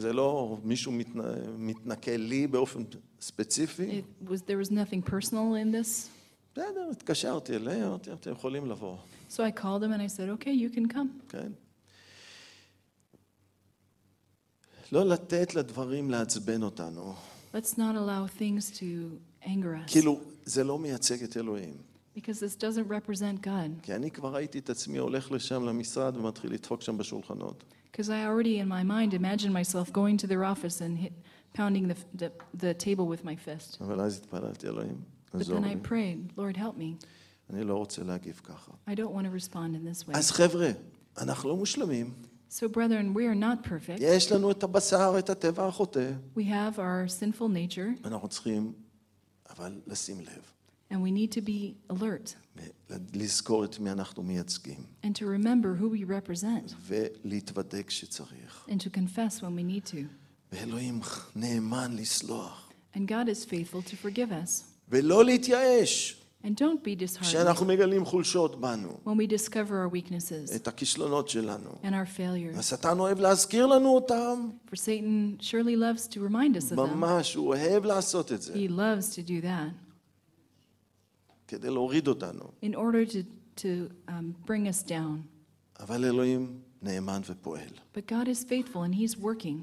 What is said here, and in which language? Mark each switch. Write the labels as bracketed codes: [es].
[he] זה לא מישהו מתנקה לי באופן ספציפי. [en] There was nothing personal in this. [he] בסדר, התקשרתי אליהם, אמרתי, אתם יכולים לבוא. [en] So I called them and I said, okay, you can come. [he] כן. לא לתת לדברים להצבן אותנו. [en] Let's not allow things to anger us. [he] כאילו, זה לא מייצג את אלוהים. [en] Because this doesn't represent God. [he] כי אני כבר ראיתי את עצמי הולך לשם למשרד ומתחיל לדפוק שם בשולחנות. [en] Because I already in my mind imagined myself going to their office and pounding the table with my fist. [he] אבל אז התפללתי אלוהים. [en] But then I prayed, Lord, help me. [he] אני לא רוצה להגיב ככה. [en] I don't want to respond in this way. [he] אז חבר'ה, אנחנו לא מושלמים. [en] So brethren, we are not perfect. [he] יש לנו את הבשר, את הטבע החוטא. [en] We have our sinful nature. [he] אנחנו צריכים אבל לשים לב. [en] And we need to be alert. [he] לזכור את מי אנחנו מייצגים. [en] And to remember who we represent. [he] ולהתוודא כשצריך. [en] And to confess when we need to. [he] ואלוהים נאמן לסלוח. [en] And God is faithful to forgive us. [he] ולא להתייאש. [en] And don't be disheartened. [he] כשאנחנו מגלים חולשות בנו. [en] When we discover our weaknesses. [he] את הכישלונות שלנו. [en] And our failures. [he] השטן אוהב להזכיר לנו אותם. [en] For Satan surely loves to remind us of them. [he] ממש, הוא אוהב לעשות את זה. [en] He loves to do that. [he] כדי להוריד אותנו. [en] In order to bring us down. [he] אבל אלוהים נאמן ופועל. [en] But God is faithful and he's working.